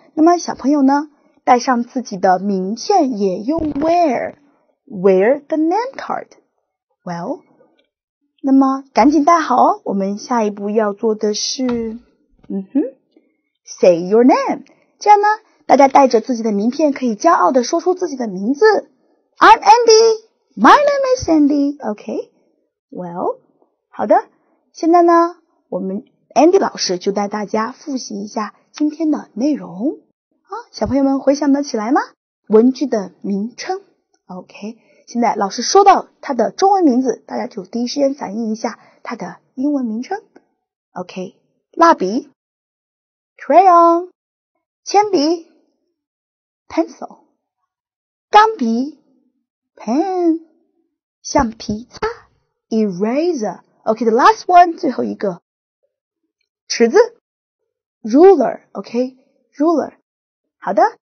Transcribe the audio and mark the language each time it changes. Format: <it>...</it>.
<zh>那么小朋友呢，带上自己的名片也用</zh> <en>wear the name card。</en> <zh>Well， 那么赶紧带好哦，我们下一步要做的是，嗯哼，</zh> <en>say your name，</en> <zh>这样呢大家带着自己的名片可以骄傲地说出自己的名字。</zh> <en>I'm Andy, my name is Andy, okay?</en> <zh>Well, 好的，现在呢，我们 Andy 老师就带大家复习一下今天的内容。啊，小朋友们回想得起来吗？文具的名称 ,OK, 现在老师说到它的中文名字，大家就第一时间反映一下它的英文名称 ,OK, 蜡笔 ,crayon, 铅笔 ,pencil, 钢笔 ,pen, 橡皮擦 ,eraser,OK,、okay,</zh> <en>the last one,</en> <zh>最后一个尺子 ,ruler,OK,ruler,、okay, 好的。</zh>